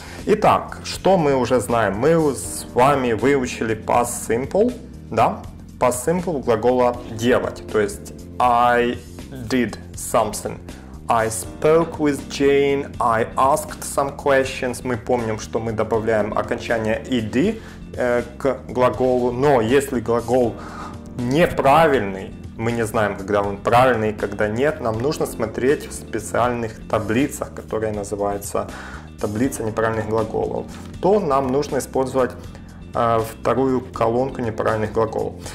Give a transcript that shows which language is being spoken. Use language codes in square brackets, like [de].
[ru] Итак, что мы уже знаем? Мы с вами выучили Past Simple, да? Past Simple глагола делать, то есть [en] I did something. I spoke with Jane, I asked some questions. [ru] Мы помним, что мы добавляем окончание ed к глаголу. Но если глагол неправильный, мы не знаем, когда он правильный, когда нет, нам нужно смотреть в специальных таблицах, которые называются таблица неправильных глаголов, то нам нужно использовать вторую колонку неправильных глаголов.